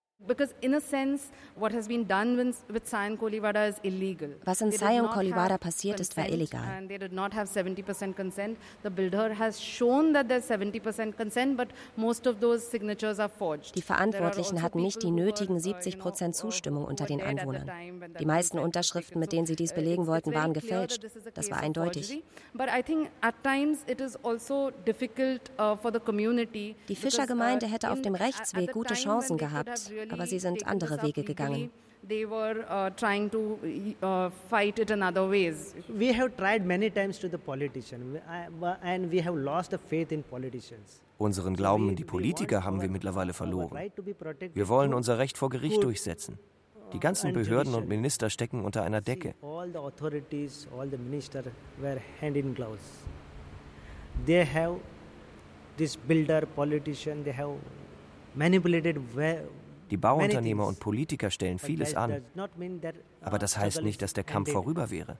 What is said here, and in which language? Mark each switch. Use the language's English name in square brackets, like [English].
[English] Because in a sense, what has been done with Sion Kaliwada is illegal. [German] Was in Sion Kaliwada passiert ist, war illegal. [English] And they did not have 70% consent. The builder has shown that there's 70% consent, but most of those signatures are forged. [German] Die Verantwortlichen hatten nicht die nötigen 70% Zustimmung unter den Anwohnern. Die meisten Unterschriften, mit denen sie dies belegen wollten, waren gefälscht. Das war eindeutig. [English] But I think at times it is also difficult for the community. [German] Die Fischergemeinde hätte auf dem Rechtsweg gute Chancen gehabt. Aber sie sind andere Wege gegangen. [English] They were trying to fight it in other ways. We have tried many times to the politician and we have lost the faith in politicians. [German] Unseren Glauben in die Politiker haben wir mittlerweile verloren. Wir wollen unser Recht vor Gericht durchsetzen. Die ganzen Behörden und Minister stecken unter einer Decke. [English] All the authorities, all the minister were hand in gloves. They have this builder politician, they have manipulated well. [German] Die Bauunternehmer und Politiker stellen vieles an. Aber das heißt nicht, dass der Kampf vorüber wäre.